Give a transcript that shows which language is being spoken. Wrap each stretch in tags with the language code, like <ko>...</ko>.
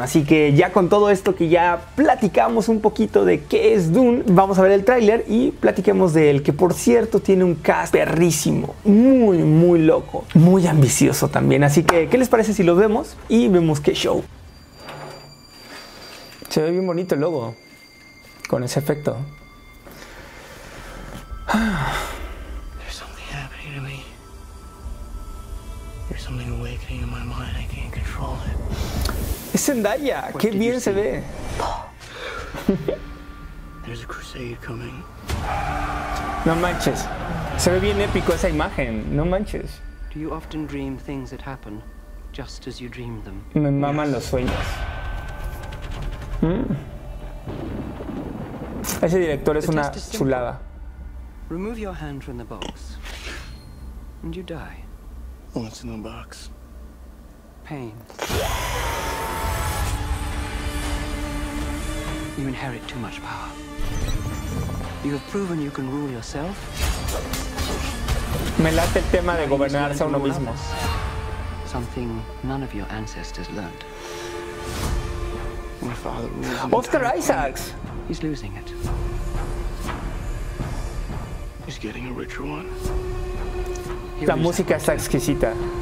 <es>Así que ya con todo esto que ya platicamos un poquito de qué es Dune, vamos a ver el tráiler y platiquemos de él, que por cierto tiene un cast perrísimo, muy, muy loco, muy ambicioso también. Así que, ¿qué les parece si lo vemos? Y vemos qué show. Se ve bien bonito el logo, con ese efecto.</es> <en>There's something happening to me. There's something awakening in my mind. I can't control it. Es Zendaya. Qué bien se ve. There's a crusade coming. No manches. Se ve bien épico esa imagen. No manches. Do you often dream things that happen just as you dream them?</en> <es>Me maman los sueños. Ese director es una chulada.</es> <en>Remove your hand from the box and you die. What's in the box? Pain. You inherit too much power. You have proven you can rule yourself.</en> <es>Me late el tema de gobernarse a uno mismo.</es> <en>Something none of your ancestors learned. Oscar Isaacs. He's losing it. He's getting a richer one.</en> <es>La música está exquisita.</es>